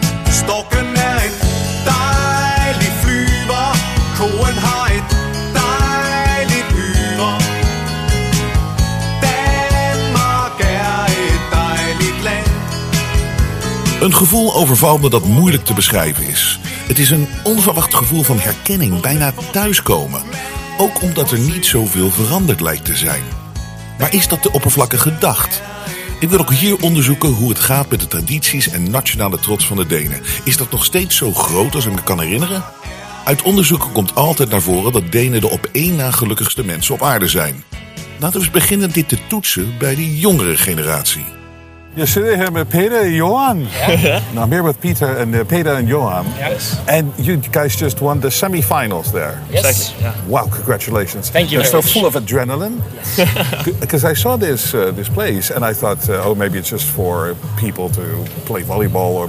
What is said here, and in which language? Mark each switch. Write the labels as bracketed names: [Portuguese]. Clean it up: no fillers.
[Danish] Storken er en dejlig flyver, koen har et dejligt hyre. Danmark er et dejligt land. [Dutch] Een gevoel overvalt me dat moeilijk te beschrijven is. Het is een onverwacht gevoel van herkenning, bijna thuiskomen. Ook omdat er niet zoveel veranderd lijkt te zijn. Maar is dat te oppervlakkig gedacht? Ik wil ook hier onderzoeken hoe het gaat met de tradities en nationale trots van de Denen. Is dat nog steeds zo groot als ik me kan herinneren? Uit onderzoeken komt altijd naar voren dat Denen de op één na gelukkigste mensen op aarde zijn. Laten we eens beginnen dit te toetsen bij de jongere generatie. Je zit hier met Peter en Johan. [English] Yeah. Now I'm here with Peter and Peter and Johan. Yes. And you guys just won the semi-finals there. Yes. Exactly. Yeah. Wow, congratulations. Thank you. You're so full of adrenaline. Because yes. I saw this place and I thought, maybe it's just for people to play volleyball.